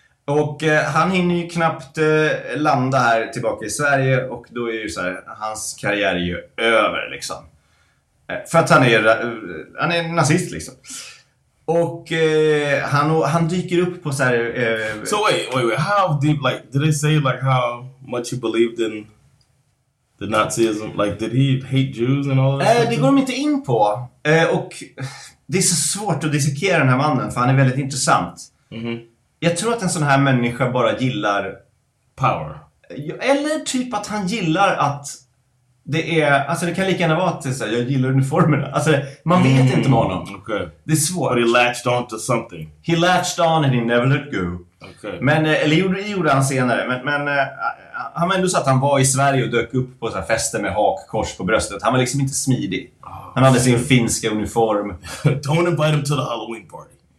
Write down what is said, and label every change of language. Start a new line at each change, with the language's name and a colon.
Swedish: Och han hinner ju knappt landa här tillbaka i Sverige. Och då är ju så här, hans karriär är ju över liksom. För att han är nazist liksom. Och han dyker upp på så här.
English: So wait, how deep, like, did they say like how much he believed in the Nazism? Like, did he hate Jews and all that?
Swedish: Det går de inte in på. Och det är så svårt att dissekera den här mannen, för han är väldigt intressant. Mm-hmm. Jag tror att en sån här människa bara gillar
English: power.
Swedish: Eller typ att han gillar att det är, alltså det kan lika gärna vara att säga, jag gillar uniformerna. Alltså man vet inte med honom.
English: Okay.
Swedish: Det är svårt.
English: But he latched on to something. He latched on and he never let go. Okay.
Swedish: Men, eller gjorde han senare. Men han var ändå så att han var i Sverige och dök upp på så här fester med hakkors på bröstet. Han var liksom inte smidig. Han hade sin finska uniform.
English: Don't invite him to the Halloween party.